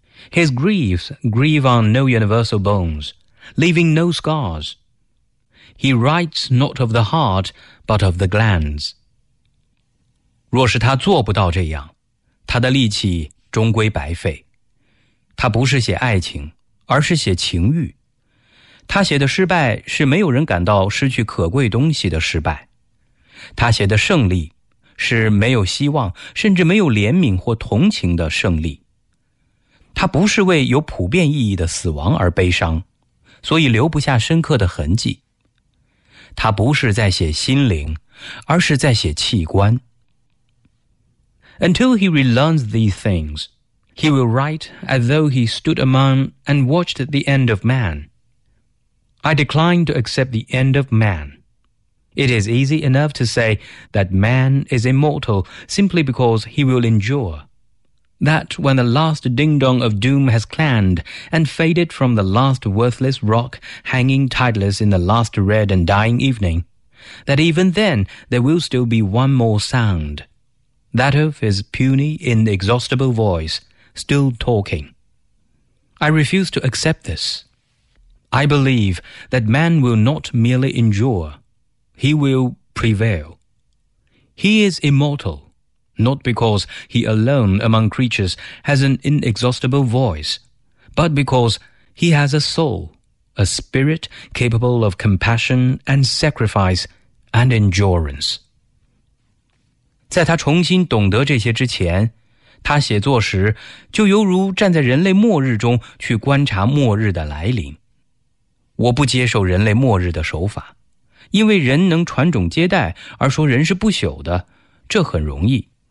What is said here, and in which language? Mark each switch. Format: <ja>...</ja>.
<en>His griefs grieve on no universal bones, leaving no scars. He writes not of the heart, but of the glands.</en> <zh>若是他做不到这样，他的力气终归白费。他不是写爱情，而是写情欲。他写的失败是没有人感到失去可贵东西的失败。他写的胜利是没有希望，甚至没有怜悯或同情的胜利。他不是为有普遍意义的死亡而悲伤，所以留不下深刻的痕迹。他不是在写心灵，而是在写器官。</zh> <en>Until he relearns these things, he will write as though he stood among and watched the end of man. I decline to accept the end of man. It is easy enough to say that man is immortal simply because he will endure. That when the last ding-dong of doom has clanged and faded from the last worthless rock hanging tideless in the last red and dying evening, that even then there will still be one more sound. That of his puny, inexhaustible voice, still talking. I refuse to accept this. I believe that man will not merely endure, he will prevail. He is immortal, not because he alone among creatures has an inexhaustible voice, but because he has a soul, a spirit capable of compassion and sacrifice and endurance.</en> <zh>在他重新懂得这些之前，他写作时就犹如站在人类末日中去观察末日的来临。我不接受人类末日的手法，因为人能传种接代而说人是不朽的，这很容易。</zh>